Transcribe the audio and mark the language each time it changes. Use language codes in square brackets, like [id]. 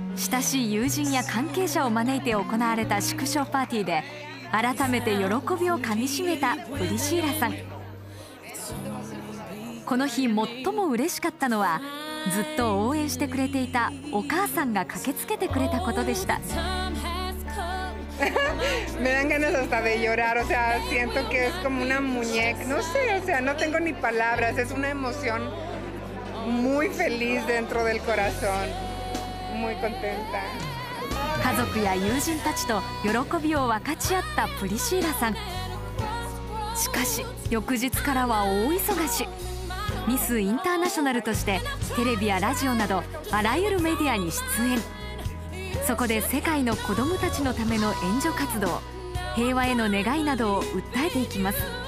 [ja] 親しい友人や関係者を招いて行われた祝勝パーティーで改めて喜びをかみしめたプリシーラさん。この日最も嬉しかったのはずっと応援してくれていたお母さんが駆けつけてくれたことでした。 [es] Me dan ganas hasta de llorar, o sea, siento que es como una muñeca, no sé, o sea, no tengo ni palabras, es una emoción muy feliz dentro del corazón, muy contenta. [ja] 家族や友人たちと喜びを分かち合ったプリシーラさん。しかし翌日からは大忙し。ミスインターナショナルとしてテレビやラジオなどあらゆるメディアに出演。そこで世界の子どもたちのための援助活動、平和への願いなどを訴えていきます。